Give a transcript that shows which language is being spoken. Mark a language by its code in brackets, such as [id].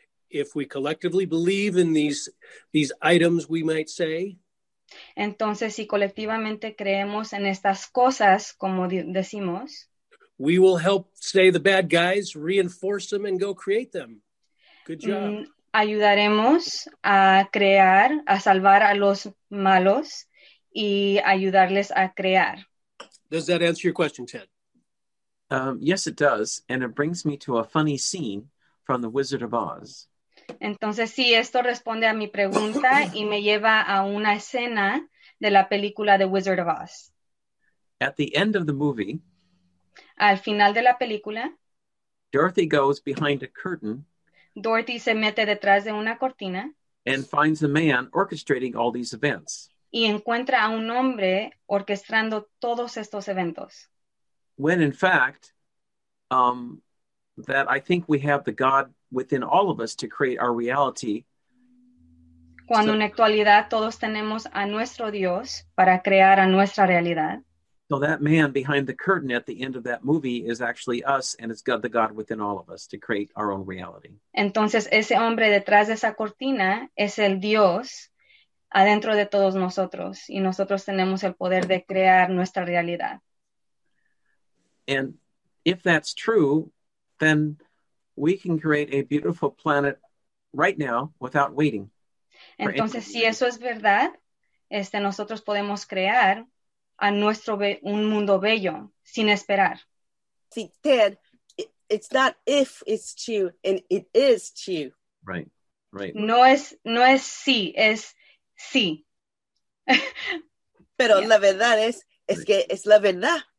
[en] If we collectively believe in these items, we might say. [es] Entonces, si colectivamente creemos en estas cosas, como decimos. [en] We will help say the bad guys, reinforce them and go create them. Good job. [es] Ayudaremos a crear, a salvar a los malos y ayudarles a crear. [en] Does that answer your question, Ted? Yes, it does. And it brings me to a funny scene from The Wizard of Oz. [es] Entonces, sí, esto responde a mi pregunta y me lleva a una escena de la película The Wizard of Oz. [en] At the end of the movie, [es] al final de la película, [en] Dorothy goes behind a curtain. [es] Dorothy se mete detrás de una cortina. [en] And finds a man orchestrating all these events. [es] Y encuentra a un hombre orquestando todos estos eventos. [en] When in fact, that I think we have the God within all of us to create our reality. [es] Cuando en actualidad todos tenemos a nuestro Dios para crear a nuestra realidad. [en] So that man behind the curtain at the end of that movie is actually us, and it's God, the God within all of us to create our own reality. [es] Entonces ese hombre detrás de esa cortina es el Dios adentro de todos nosotros, y nosotros tenemos el poder de crear nuestra realidad. [en] And if that's true, then we can create a beautiful planet right now without waiting. [es] Entonces, si eso es verdad, nosotros podemos crear a nuestro un mundo bello sin esperar. [en] See, Ted, it's not if it's true, and it is true. Right, right. [es] No es sí, es sí. Pero yeah. La verdad es [en] right. [es] Que es la verdad.